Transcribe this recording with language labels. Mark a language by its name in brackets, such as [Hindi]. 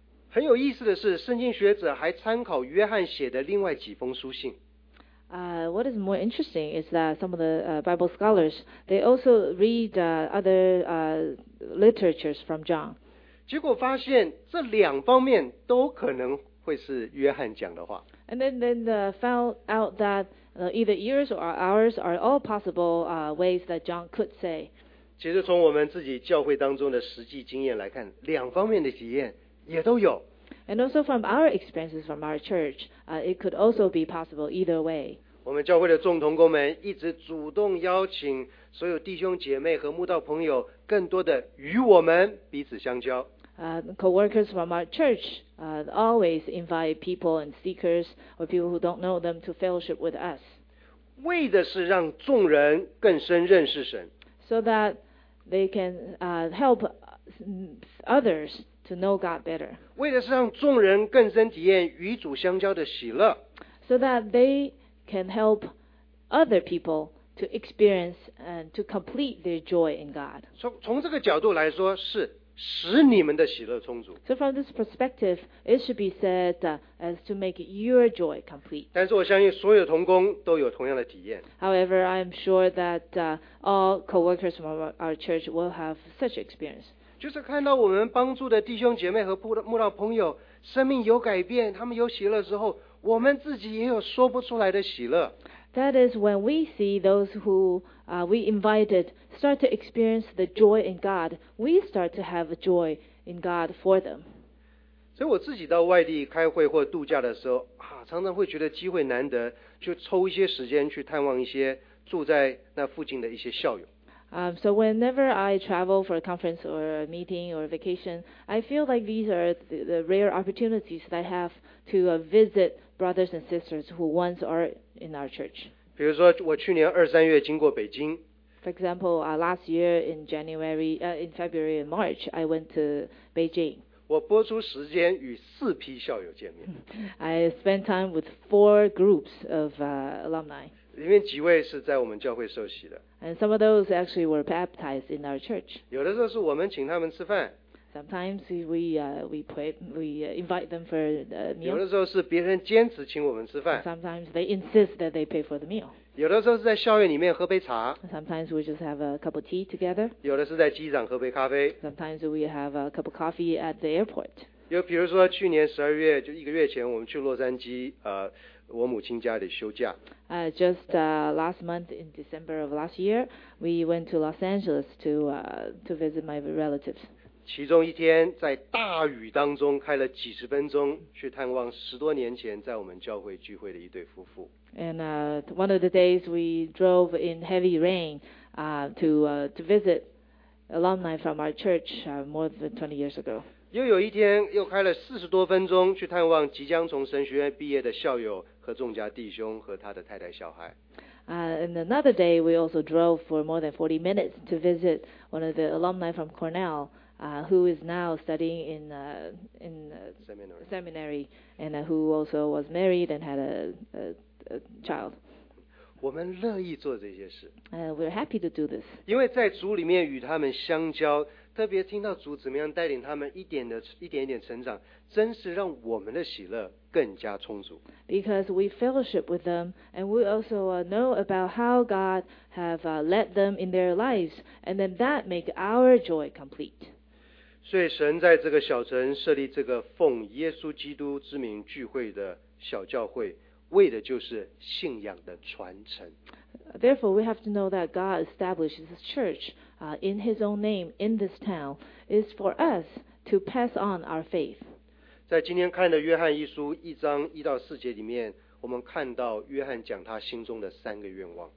[Chinese] 很有意思的是，圣经学者还参考约翰写的另外几封书信。 [English] What is more interesting is that some of the Bible scholars, they also read other literatures from John. [Chinese] 结果发现这两方面都可能会是约翰讲的话。 [English] And then found out that either yours or ours are all possible ways that John could say. [Chinese] 其实从我们自己教会当中的实际经验来看，两方面的体验也都有。 [English] And also from our experiences from our church, it could also be possible either way. [Chinese] 我们教会的众同工们一直主动邀请所有弟兄姐妹和慕道朋友更多的与我们彼此相交。 [English] Co-workers from our church always invite people and seekers or people who don't know them to fellowship with us. [Chinese] 为的是让众人更深认识神。 [English] So that they can help others to know God better. [Chinese] 为的是让众人更深体验与主相交的喜乐。 [English] so that they can help other people to experience and to complete their joy in God. [Chinese] 从这个角度来说，是使你们的喜乐充足。 [English] So from this perspective, it should be said as to make your joy complete. [Chinese] 但是我相信所有同工都有同样的体验。 [English] However, I am sure that all co-workers from our church will have such experience. [Chinese] 就是看到我们帮助的弟兄姐妹和慕道朋友生命有改变，他们有喜乐之后，我们自己也有说不出来的喜乐。 [English] That is when we see those who we invited start to experience the joy in God, we start to have a joy in God for them. [Chinese] 所以我自己到外地开会或度假的时候、啊、常常会觉得机会难得，就抽一些时间去探望一些住在那附近的一些校友。 [English] So whenever I travel for a conference or a meeting or a vacation, I feel like these are the rare opportunities that I have to visit brothers and sisters who once are in our church. [Chinese] 比如说我去年二三月经过北京。 [English] For example, last year in January, in February and March, I went to Beijing. [Chinese] 我拨出时间与四批校友见面。 [English] I spent time with four groups of alumni. [Chinese] 里面几位是在我们教会受洗的。 [English] And some of those actually were baptized in our church. [Chinese] 有的时候是我们请他们吃饭。 [English] Sometimes we invite them for a meal. [Chinese] 有的时候是别人坚持请我们吃饭。 [English] Sometimes they insist that they pay for the meal. [Chinese] 有的时候是在校园里面喝杯茶。 [English] Sometimes we just have a cup of tea together. [Chinese] 有的是在机场喝杯咖啡。 [English] Sometimes we have a cup of coffee at the airport. [Chinese] 有比如说去年十二月，就一个月前，我们去洛杉矶，我母亲家里休假。 [English] Last month in December of last year, we went to Los Angeles to visit my relatives. [Chinese] 其中一天在大雨当中开了几十分钟去探望十多年前在我们教会聚会的一对夫妇。 [English] And one of the days we drove in heavy rain to visit alumni from our church more than 20 years ago. [Chinese] 又有一天又开了四十多分钟去探望即将从神学院毕业的校友。和众家弟兄和他的太太小孩。 [English] And another day, we also drove for more than 40 minutes to visit one of the alumni from Cornell, who is now studying in seminary, and who also was married and had a child. [Chinese] 我们乐意做这些事。 [English] We're happy to do this. [Chinese] 因为在主里面与他们相交，特别听到主怎么样带领他们一点一点成长，真是让我们的喜乐。更加充足。 [English] Because we fellowship with them, and we also know about how God have led them in their lives, and then that make our joy complete. [Chinese] 所以神在这个小城设立这个奉耶稣基督之名聚会的小教会，为的就是信仰的传承。 [English] Therefore, we have to know that God establishes this church in His own name in this town is for us to pass on our faith. [Chinese] 在今天看的约翰一书一章一到四节里面，我们看到约翰讲他心中的三个愿望。